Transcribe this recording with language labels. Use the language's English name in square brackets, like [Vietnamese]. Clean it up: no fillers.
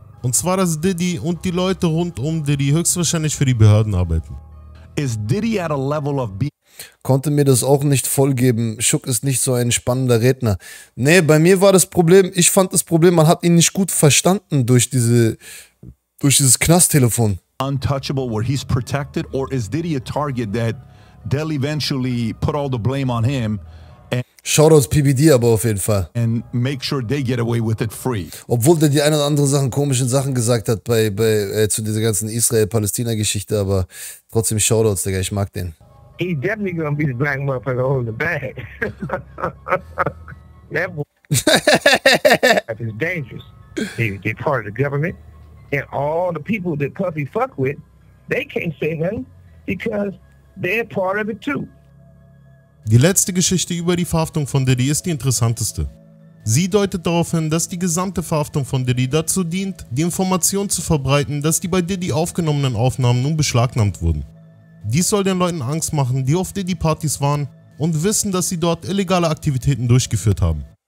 [German] Und zwar, dass Diddy und die Leute rund um Diddy höchstwahrscheinlich für die Behörden arbeiten. [English] Is Diddy at a level of [German] Konnte mir das auch nicht vollgeben. Suge ist nicht so ein spannender Redner. Nee, bei mir war das Problem, ich fand das Problem, man hat ihn nicht gut verstanden durch dieses Knasttelefon. [English] Untouchable, where he's protected, or is Diddy a target that they'll eventually put all the blame on him [German] Shoutouts PBD aber auf jeden Fall. [English] And make sure they get away with it free. [German] Obwohl der die ein oder andere Sachen, komischen Sachen gesagt hat zu dieser ganzen Israel-Palästina-Geschichte, aber trotzdem Shoutouts, Digga, ich mag den. [English] He definitely gonna be the black motherfucker holding the bag. That boy is dangerous. They part of the government. And all the people that Puffy fuck with, they can't say nothing because they're part of it too. [German] Die letzte Geschichte über die Verhaftung von Diddy ist die interessanteste. Sie deutet darauf hin, dass die gesamte Verhaftung von Diddy dazu dient, die Information zu verbreiten, dass die bei Diddy aufgenommenen Aufnahmen nun beschlagnahmt wurden. Dies soll den Leuten Angst machen, die auf Diddy-Partys waren und wissen, dass sie dort illegale Aktivitäten durchgeführt haben.